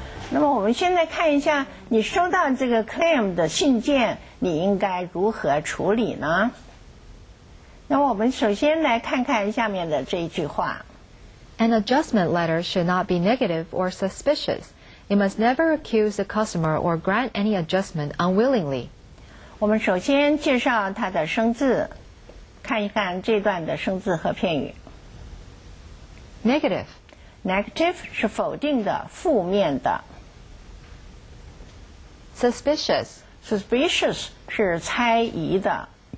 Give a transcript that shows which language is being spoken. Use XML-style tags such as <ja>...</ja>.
<zh>那么我们现在看一下，你收到这个 claim 的信件，你应该如何处理呢？那我们首先来看看下面的这一句话。</zh> <en>An adjustment letter should not be negative or suspicious. You must never accuse the customer or grant any adjustment unwillingly.</en> <zh>我们首先介绍它的生字，看一看这段的生字和片语。</zh> <en>Negative.</en> <zh>Negative 是否定的，负面的。</zh> <en>Suspicious.</en> <zh>Suspicious 是猜疑的。</zh>